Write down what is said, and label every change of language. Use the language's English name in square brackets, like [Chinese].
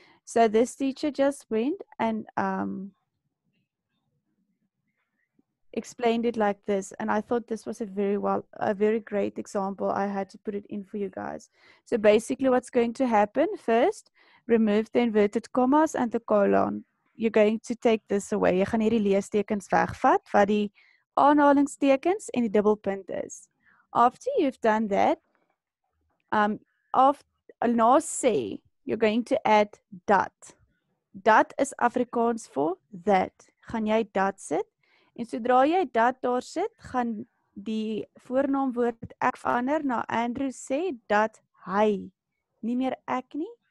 [English] So this teacher just went and explained it like this, and I thought this was a very great example. I had to put it in for you guys. So basically what's going to happen, first remove the inverted commas and the colon. you're going to take this away. [Afrikaans] Jy gaan hierdie leestekens wegvat wat die aanhalingstekens en die dubbelpunt is. [English] After you've done that, you're going to add dat. Dat is Afrikaans for that. [Afrikaans] Gaan jy dat sit? En sodra jy dat daar sit, gaan die voornaamwoord ek verander na Andrew sê dat hy, nie meer ek nie.